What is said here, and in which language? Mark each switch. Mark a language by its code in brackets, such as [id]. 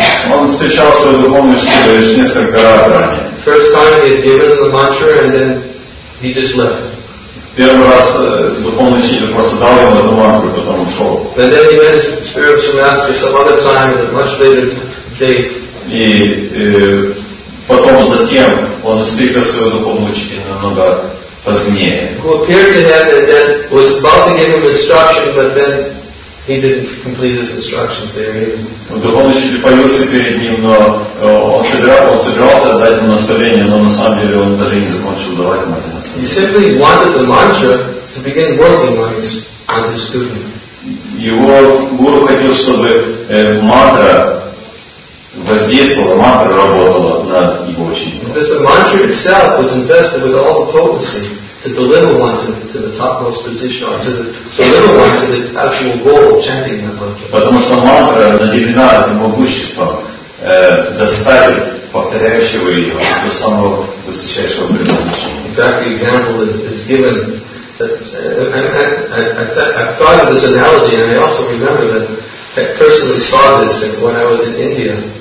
[ru] Он встречал своего духовного учителя лишь несколько раз ранее. [en] First time he had given him the mantra and then he just left. [ru] Первый раз духовный учитель просто дал ему эту мантру, потом ушел. [en] And then he met his spiritual master some other time at a much later date. [ru] И потом затем он встретил своего духовного учителя намного позднее. [en] Who appeared to him and then was about to give him instruction, but then he didn't complete his instructions there either. [ru] Духовный учитель появился перед ним, но он собирался дать ему наставление, но на самом деле он даже не закончил давать ему это наставление. [en] He simply wanted the mantra to begin working on his student. [ru] Его гуру хотел, чтобы мантра воздействовала, мантра работала над его учеником. [en] Because the mantra itself was invested with all the potency to deliver one to the topmost position, or deliver one to the actual goal of chanting that mantra. [ru] Потому что мантра наделена этим могуществом доставить повторяющего ее до самого высочайшего предназначения. [en] In fact, the example is given. I thought of this analogy, and I also remember that I personally saw this when I was in India.